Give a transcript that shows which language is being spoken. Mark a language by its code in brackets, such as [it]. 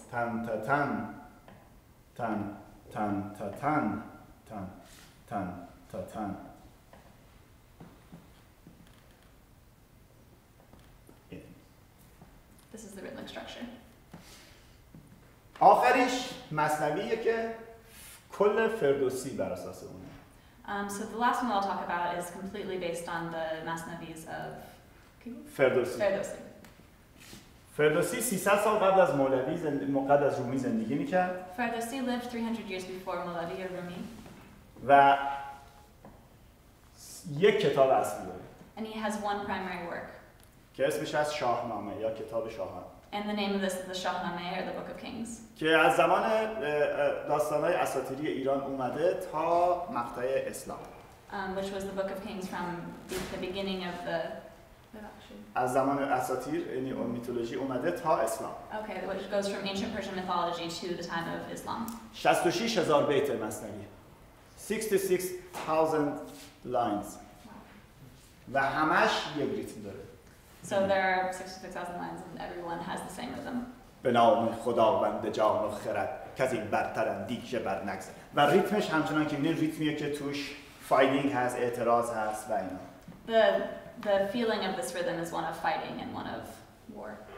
[en] تن تا تن تن تن تا تن تن تن تا تن This is the rhythmic structure. [fa] آخرش مثنویه که کل فردوسی بر اساس اونه. [en] So the last one I'll talk about is completely based on the masnavis of Ferdowsi. [fa] Ferdowsi 300 سال قبل از مولوی مقد از رومی زندگی میکرد. [en] Ferdowsi lived 300 years before Molavi or Rumi. [fa] و یک کتاب اصلی داره. [en] And he has one primary work. [fa] که اسمش از شاهنامه یا کتاب شاهان. [en] And the name of this is the Shahnameh or the Book of Kings. [fa] که از زمان داستانهای اساطیری ایران اومده تا مقطع اسلام. [en] Which was the Book of Kings from the beginning of the [fa] از زمان اساطیر یعنی میتولوژی اومده تا اسلام. [en] Okay, which goes from ancient Persian mythology to the time of Islam. [fa] 66000 بیت مثنوی. [en] 66000 lines. [fa] و همش یک ریتم داره. [en] So there are 66000 lines and everyone has the same rhythm. [fa] به نام خداوند جان و خرد که این برتر اندیشه بر نگذره. و ریتمش همچنان که این ریتمیه که توش فایتینگ هست، اعتراض هست و اینا. [en] The feeling of this rhythm is one of fighting and one of war.